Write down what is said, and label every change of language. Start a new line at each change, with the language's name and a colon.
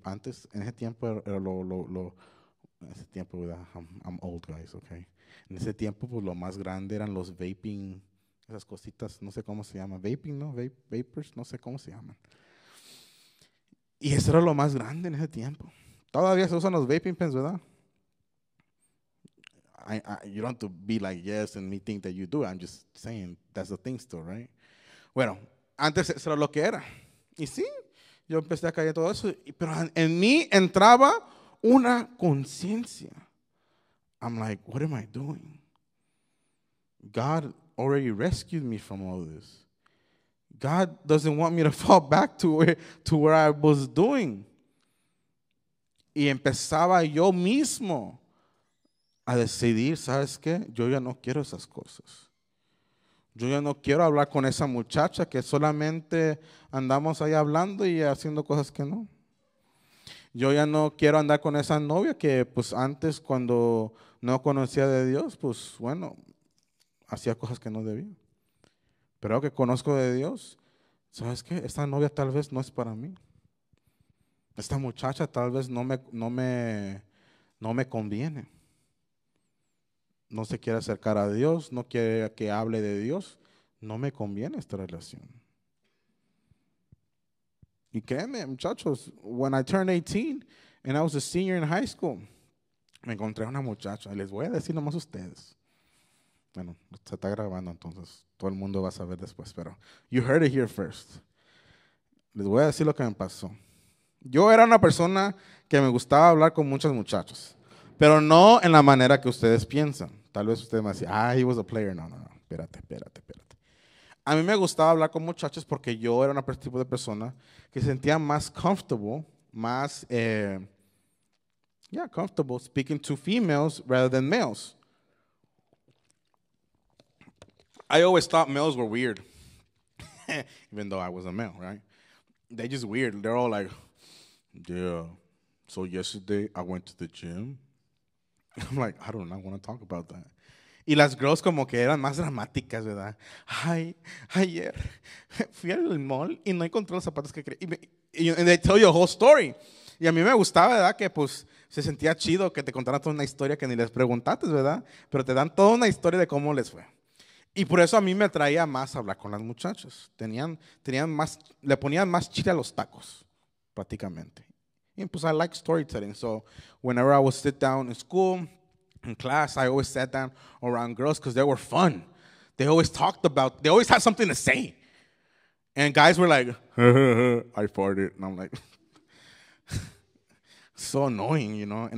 Spanish: Antes, en ese tiempo, en ese tiempo,
English: I'm old guys, ok.
Spanish: En ese tiempo, pues lo más grande eran los vaping. Esas cositas, no sé cómo se llama, vaping, ¿no? Vapers, no sé cómo se llaman. Y eso era lo más grande en ese tiempo. Todavía se usan los vaping pens, ¿verdad?
English: You don't have to be like, yes, and me think that you do. I'm just saying, that's the thing store, right?
Spanish: Bueno, antes eso era lo que era. Y sí, yo empecé a caer todo eso, pero en mí entraba una conciencia.
English: I'm like, what am I doing? God already rescued me from all this. God doesn't want me to fall back to where I was doing.
Spanish: Y empezaba yo mismo a decidir, ¿sabes qué? Yo ya no quiero esas cosas. Yo ya no quiero hablar con esa muchacha que solamente andamos ahí hablando y haciendo cosas que no. Yo ya no quiero andar con esa novia que, pues, antes cuando no conocía de Dios, pues, bueno, hacía cosas que no debía. Pero ahora que conozco de Dios, ¿sabes qué? Esta novia tal vez no es para mí. Esta muchacha tal vez no me conviene. No se quiere acercar a Dios, no quiere que hable de Dios. No me conviene esta relación. Y créeme, muchachos,
English: when I turned 18 and I was a senior in high school,
Spanish: me encontré a una muchacha. Les voy a decir nomás a ustedes. Bueno, se está grabando, entonces todo el mundo va a saber después, pero
English: you heard it here first.
Spanish: Les voy a decir lo que me pasó. Yo era una persona que me gustaba hablar con muchos muchachos, pero no en la manera que ustedes piensan. Tal vez ustedes me decían, ah,
English: he was a player.
Spanish: No, no, no, espérate, espérate, espérate. A mí me gustaba hablar con muchachos porque yo era un tipo de persona que sentía más comfortable, más,
English: comfortable speaking to females rather than males. I always thought males were weird, even though I was a male, right? They're just weird. They're all like, yeah, so yesterday I went to the gym. I'm like, I do not want to talk about that.
Spanish: Y las girls como que eran más dramáticas, ¿verdad? Ay, ayer fui al mall y no encontré los zapatos que quería.
English: And they tell you a whole story.
Spanish: Y a mí me gustaba, ¿verdad? Que pues se sentía chido que te contaran toda una historia que ni les preguntaste, ¿verdad? Pero te dan toda una historia de cómo les fue. Y por eso a mí me atraía más hablar con las muchachas. Le ponían más chile a los tacos, prácticamente.
English: Y pues I like storytelling. So whenever I would sit down in school, in class, I always sat down around girls because they were fun. They always had something to say. And guys were like, I farted. And I'm like, so annoying, you know?